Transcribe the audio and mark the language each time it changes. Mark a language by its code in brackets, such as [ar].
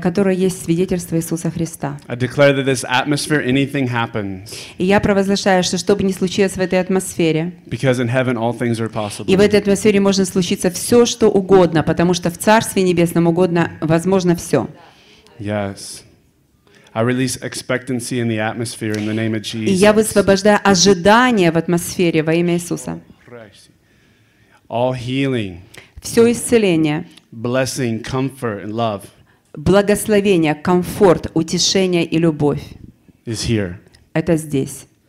[ru] Которое есть свидетельство Иисуса Христа. [en] I declare that this atmosphere, anything happens. [ru] И я провозглашаю, что чтобы ни случилось в этой атмосфере. [en] Because in heaven all things are possible. [ru] И в этой атмосфере может случиться все, что угодно, потому что в Царстве Небесном угодно, возможно все. [en] Yes. I release expectancy in the atmosphere in the name of Jesus. [ru] Я высвобождаю ожидание в атмосфере во имя Иисуса. [en] All healing. [ru] Все исцеление. [en] Blessing, comfort and love. [ru] Благословение, комфорт, утешение и любовь. [en] Is here. [ru] Это здесь.